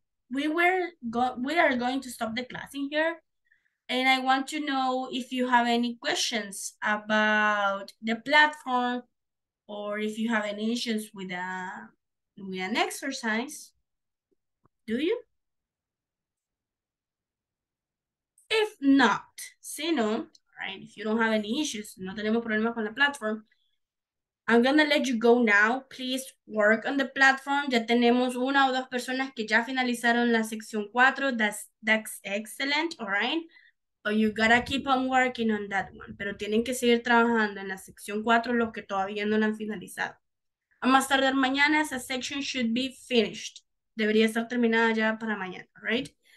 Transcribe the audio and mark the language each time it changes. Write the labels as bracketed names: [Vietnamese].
[English] We are going to stop the class in here, and I want to know if you have any questions about the platform, or if you have any issues with an exercise. Do you? If not, [Spanish] si no, [English] right? If you don't have any issues, [Spanish] no tenemos problemas con la [English] platform, I'm gonna let you go now. Please work on the platform. [Spanish] Ya tenemos una o dos personas que ya finalizaron la sección 4. [English] That's excellent, all right? But you gotta keep on working on that one. [Spanish] Pero tienen que seguir trabajando en la sección 4 los que todavía no la han finalizado. A más tardar mañana, esa section [English] should be finished. [Spanish] Debería estar terminada ya para mañana, [English] all right?